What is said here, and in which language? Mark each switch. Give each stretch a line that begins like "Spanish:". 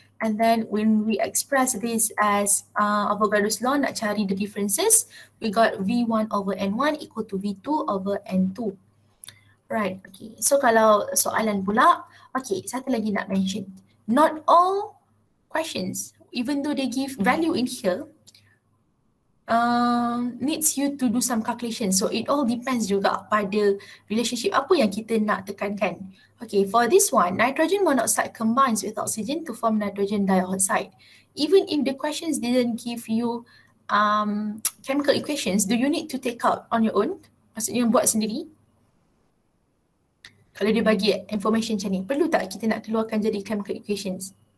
English: And then when we express this as Avogadro's law,
Malay: nak cari
English: the differences, we got V1 over N1 equal to V2 over N2. Right, okay.
Malay: So kalau soalan pula, okay, satu lagi nak mention.
English: Not all questions, even though they give value in here, needs you to do some calculation. So it all depends
Malay: juga pada relationship apa yang kita nak tekankan.
English: Okay, for this one, nitrogen monoxide combines with oxygen to form nitrogen dioxide. Even if the questions didn't give you chemical equations, do you need to take out on your own?
Malay: Maksudnya buat sendiri? Kalau dia bagi information macam ni, perlu tak kita nak keluarkan jadi chemical equations?